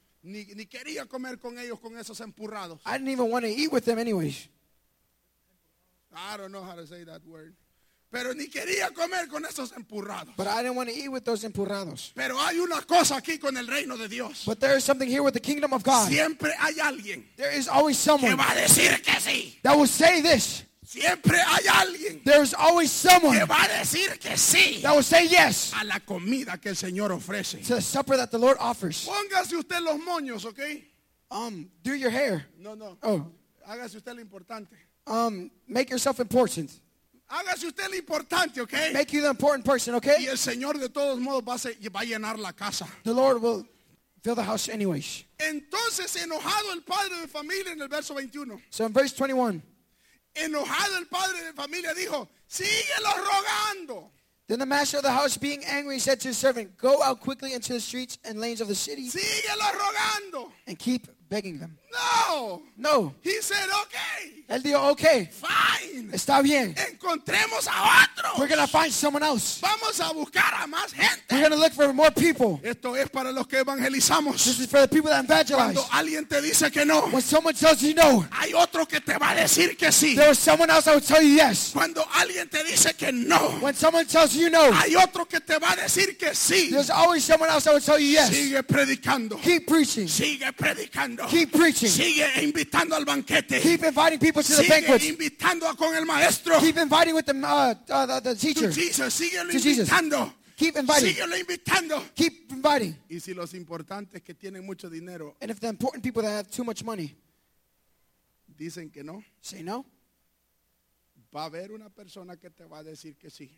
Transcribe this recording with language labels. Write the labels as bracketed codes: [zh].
[es] Ni quería comer con ellos con esos empurrados. [en] I didn't even want to eat with them anyways. I don't know how to say that word. [es] Pero ni quería comer con esos empurrados. [en] But I didn't want to eat with those empurrados. [es] Pero hay una cosa aquí con el reino de Dios. [en] But there is something here with the kingdom of God. [es] Siempre hay alguien. [en] There is always someone. [es] Que va a decir que sí. [en] That will say this. [es] Siempre hay alguien. [en] There's always someone [es] que va a decir que sí. [en] That will say yes. [es] A la comida que el Señor ofrece. [en] To the supper that the Lord offers. [es] Póngase usted los moños, okay? [en] Do your hair. [es] No. Oh. Hágase usted lo importante. [en] Make yourself important. [es] Hágase usted lo importante, okay? [en] Make you the important person, okay? [es] Y el Señor de todos modos va a llenar la casa. [en] The Lord will fill the house anyways. [es] Entonces enojado el padre de familia en el verso 21. [en] So in verse 21. [es] Enojado el padre de familia dijo, síguelo rogando. [en] Then the master of the house, being angry, said to his servant, go out quickly into the streets and lanes of the city. [es] Síguelo rogando. [en] And keep begging them. [es] No. [en] No. He said, okay. [es] Él dijo, okay. [en] Fine. [es] Está bien. Encontremos a otros. [en] We're going to find someone else. [es] Vamos a buscar a más gente. [en] We're going to look for more people. [es] Esto es para los que evangelizamos. [en] This is for the people that evangelize. [es] Cuando alguien te dice que no. [en] When someone tells you no. [es] Hay otro que te va a decir que sí. [en] There is someone else that will tell you yes. [es] Cuando alguien te dice que no. [en] When someone tells you no. [es] Hay otro que te va a decir que sí. [en] There's always someone else that will tell you yes. [es] Sigue predicando. [en] Keep preaching. [es] Sigue predicando. [en] Keep preaching. [es] Sigue invitando al banquete. [en] Keep inviting people to the banquet. [es] Sigue invitando con el maestro. [en] Keep inviting with the teacher. To Jesus. Keep inviting. [es] Síguelo invitando. [en] Keep inviting. [es] Y si los importantes que tienen mucho dinero. [en] And if the important people that have too much money. [es] Dicen que no. [en] Say no. [es] Va a haber una persona que te va a decir que sí.